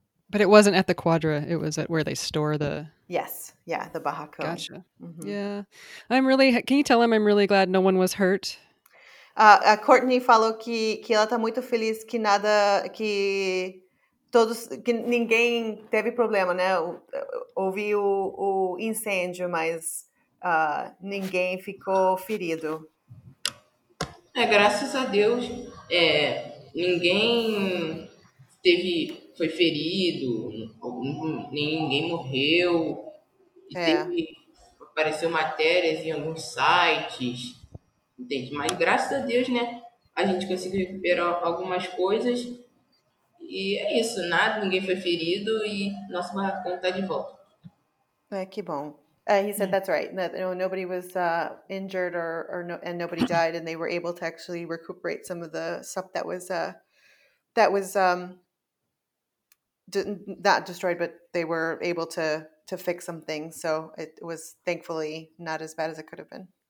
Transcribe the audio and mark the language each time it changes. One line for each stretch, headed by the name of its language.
English: But it wasn't at the quadra, it was at where they store the the barracão. Gotcha. Mm-hmm. Yeah. Can you tell him I'm really glad no one was hurt?
Portuguese: A Courtney falou que ela tá muito feliz que nada que todos, que ninguém teve problema, né? Houve o incêndio, mas ninguém ficou ferido. É, graças a Deus, ninguém foi ferido, ninguém morreu. Apareceu matérias em alguns sites, entende? Mas graças a Deus, né? A gente conseguiu recuperar algumas coisas. E é isso, nada, ninguém foi ferido e nosso barracão tá de volta. É, que bom.
English: He said that's right. Nobody was injured and nobody died, and they were able to actually recuperate some of the stuff that was not destroyed, but they were able to fix some things. So it was thankfully not as bad as it could have been.